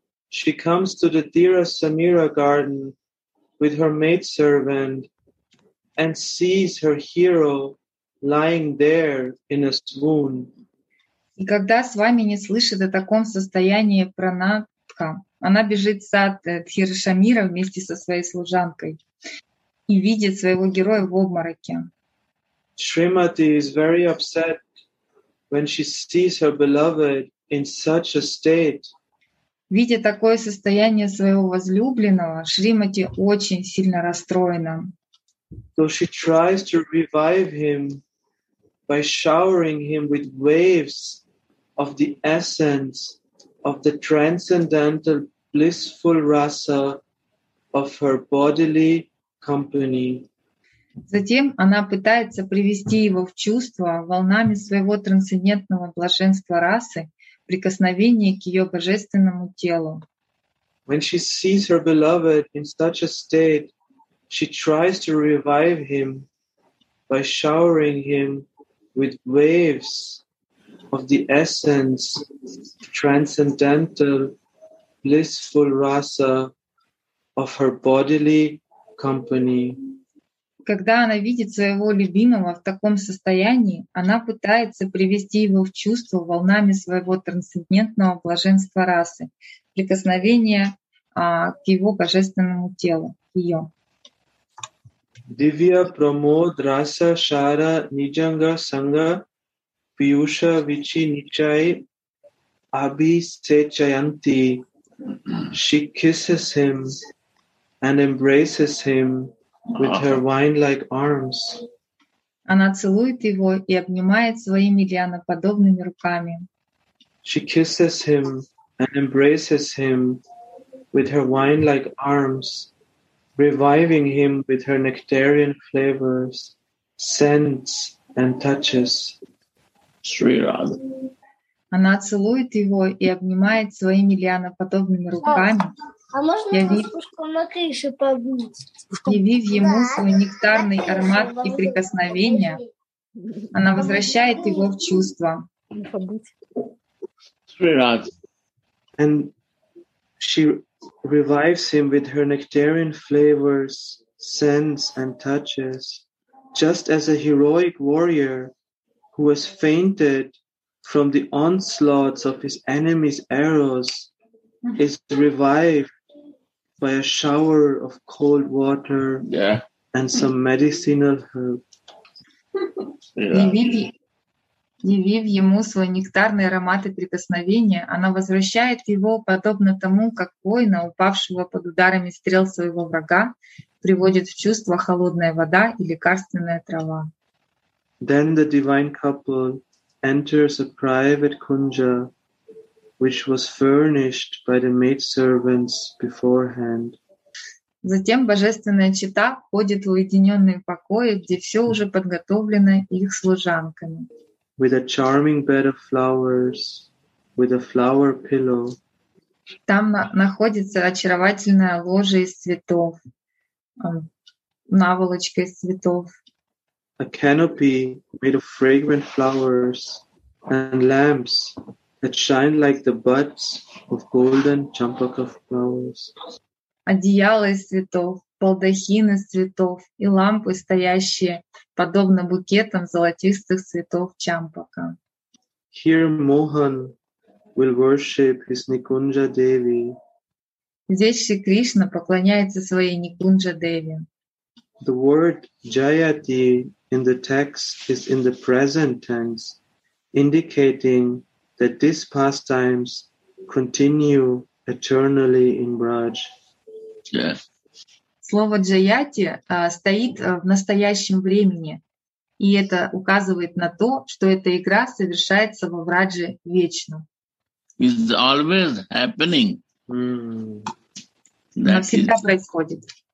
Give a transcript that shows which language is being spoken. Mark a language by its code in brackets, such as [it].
[en] She comes to the Dira Samira garden with her maidservant and sees her hero lying there in a swoon. [ru] И когда Свамини слышит о таком состоянии Пранатха, она бежит в сад Дхиршамира вместе со своей служанкой и видит своего героя в обмороке. [en] Srimati is very upset when she sees her beloved in such a state. [ru] Видя такое состояние своего возлюбленного, Шримати очень сильно расстроена. [en] So she tries to revive him by showering him with waves of the essence of the transcendental blissful rasa of her bodily company. [ru] Затем она пытается привести его в чувство волнами своего трансцендентного блаженства расы, прикосновение к ее божественному телу. [en] When she sees her beloved in such a state, she tries to revive him by showering him with waves of the essence of transcendental blissful rasa of her bodily company. [ru] Когда она видит своего любимого в таком состоянии, она пытается привести его в чувство волнами своего трансцендентного блаженства расы, прикосновения к его божественному телу, ее. [sa] Divya Pramod Rasa Shara Nijanga Sangha Piyusha Vichi Nichai Abhi Se Chayanti. [en] She kisses him and embraces him with her vine-like arms. [ru] Она целует его и обнимает своими лианоподобными руками. [en] She kisses him and embraces him with her vine-like arms, reviving him with her nectarian flavors, scents, and touches. [sa] Sri Radha. [ru] Она целует его и обнимает своими лианоподобными руками. А можно явив, с пушком на крыше побыть? Явив ему свой нектарный аромат и прикосновение, она возвращает его в чувство. [sa] Sri Radha. [en] And she revives him with her nectarian flavors, scents, and touches, just as a heroic warrior who has fainted from the onslaughts of his enemy's arrows is revived by a shower of cold water and some medicinal herb. [ru] Явив ему свой нектарный аромат и прикосновение, она возвращает его, подобно тому, как воина, упавшего под ударами стрел своего врага, приводит в чувство холодная вода и лекарственная трава. [en] Then the divine couple enters a private kunja, which was furnished by the maidservants beforehand. [ru] Затем божественная чета входит в уединенные покои, где все уже подготовлено их служанками. [en] With a charming bed of flowers, with a flower pillow. [ru] Там находится очаровательная ложа из цветов, наволочка из цветов. [en] A canopy made of fragrant flowers and lamps that shine like the buds of golden champaka flowers. [ru] Одеяло из цветов, балдахин из цветов и лампы, стоящие подобно букетам золотистых цветов чампака. [en] Here Mohan will worship his Nikunja Devi. [ru] Здесь Шри Кришна поклоняется своей Никунджа Деви. [en] The word Jayati in the text is in the present tense, indicating that these pastimes continue eternally in Braj. [ru] Слово «джаяти» стоит в настоящем времени, и это указывает на то, что эта игра совершается во Врадже вечно. [en] It's always happening. [ru] Она всегда происходит.